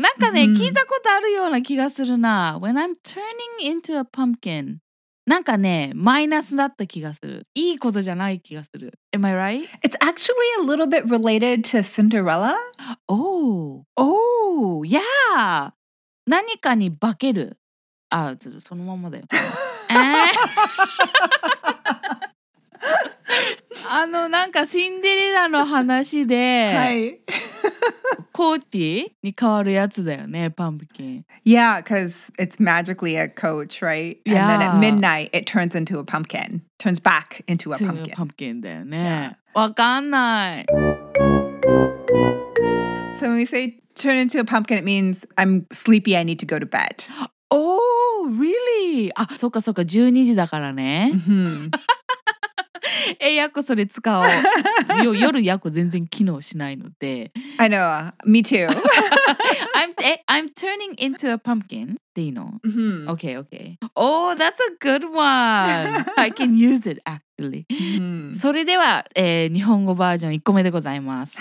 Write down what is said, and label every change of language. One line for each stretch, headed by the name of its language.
Japanese: なんかね、聞いたことあるような気がするな。
English: When I'm turning into a pumpkin.
Japanese: なんかね、マイナスだった気がする。いいことじゃない気がする。
English: Am I right? It's actually a little bit related to Cinderella. Oh. Oh, yeah.
Japanese: 何かに化ける。あ、ちょっとそのままだよ。あの、なんかシンデレラの話で。はい。コーチに変わるやつだよね、パンプキン。
English: Yeah, because it's magically a coach, right? And yeah. then at midnight, it turns into a pumpkin. Turns back into a pumpkin.
Japanese: パンプキンだよね。
English: Yeah.
Japanese: わかんない。
English: So when we say turn into a pumpkin, it means I'm sleepy, I need to go to bed. Oh, really?
Japanese: あ、そっかそっか、12時だからね。 Mm-hmm. え、ヤコそれ使おう。夜ヤコ全然機能しないので。
English: I know. Me too. I'm turning into a pumpkin.
Japanese: っていいの、 mm-hmm.
English: Okay, okay. Oh, that's a good one. I can use it, actually.、 Mm-hmm.
Japanese: それでは、日本語バージョン1個目でございます。